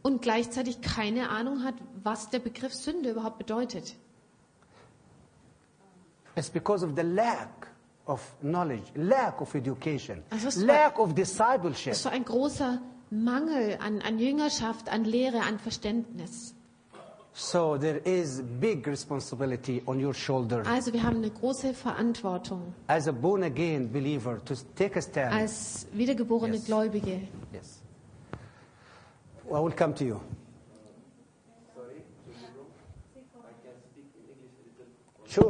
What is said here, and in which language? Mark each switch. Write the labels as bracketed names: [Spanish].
[German] Und gleichzeitig keine Ahnung hat, was der Begriff Sünde überhaupt bedeutet. [English] It's because of the lack of knowledge, lack of education, lack of discipleship. [German] Es ist so ein großer Mangel an Jüngerschaft, an Lehre, an Verständnis. [English] So there is big responsibility on your shoulder. [German] Also wir haben eine große Verantwortung. [English] As a born again believer, to take a stand. [German] Als wiedergeborene yes. Gläubige. [English] Yes. Well, I will come to you. Sorry. I can speak in English a little.